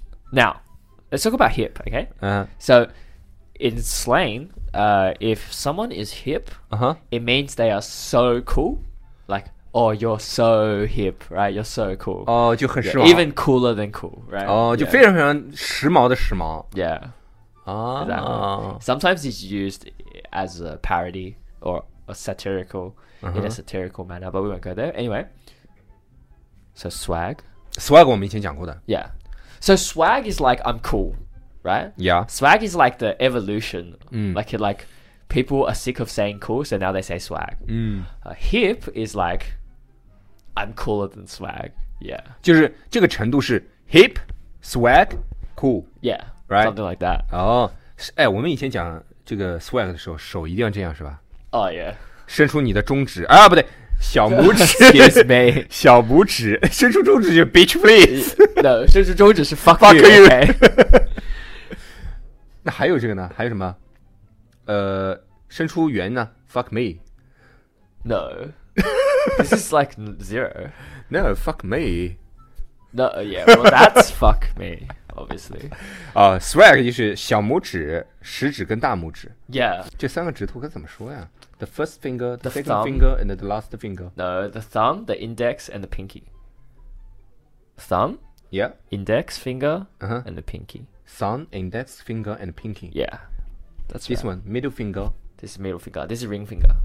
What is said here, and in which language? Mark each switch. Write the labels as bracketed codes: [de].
[en] Now, let's talk about hip, okay? So, in slang, if someone is hip, it means they are so cool. Like, oh, you're so hip, right? You're so cool. [zh] 哦，就很时髦。 [en] Even cooler than cool, right? [zh] 哦，就非常非常时髦的时髦。 [en] Yeah. 啊。 Exactly. Sometimes it's used as a parody or a satirical, in a satirical manner, but we won't go there. Anyway. So, swag. [zh] Swag 我们以前讲过的。 [en] Yeah. So swag is like, I'm cool, right? Yeah. Swag is like the evolution. Like, people are sick of saying cool, so now they say swag. Hip is like, I'm cooler than swag. Yeah. [zh] 就是这个程度是 hip, swag, cool. [en] Yeah. Right? Something like that. [zh] 哦，哎，我们以前讲这个 swag 的时候，手一定要这样，是吧？ [en] 哦、oh, yeah. [zh] 伸出你的中指，啊，不对。小拇指 [en] ，Excuse me. [zh] 小拇指，伸出中指就 [en] bitch please. [zh] No, 伸出中指是 [en] fuck you. Okay. [zh] 那还有这个呢？还有什么？伸出圆呢 ？ [en] Fuck me. No. This is like zero. No, fuck me. No, yeah, well, that's fuck me, obviously. [zh] Swag 就是小拇指、食指跟大拇指。 [en] Yeah. [zh] 这三个指头该怎么说呀？ [en] The first finger, the second thumb, finger, and the last finger. No, the thumb, the index, and the pinky. Thumb? Yeah. Index finger, and the pinky. Thumb, index finger, and pinky. Yeah. That's this right. This one, middle finger. This is middle finger. This is ring finger.